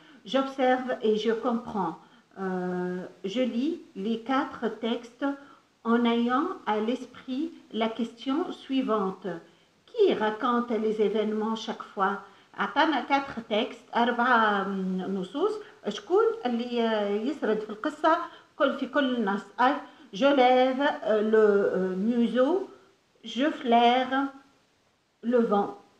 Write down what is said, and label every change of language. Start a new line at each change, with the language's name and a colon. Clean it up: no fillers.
French: J'observe et je comprends. Je lis les quatre textes en ayant à l'esprit la question suivante. Qui raconte les événements chaque fois? À part les quatre textes,
Arabic: arba nusus, شكون اللي يسرد في القصة كل في كل نص.
French: Je lève le museau, je flaire le vent.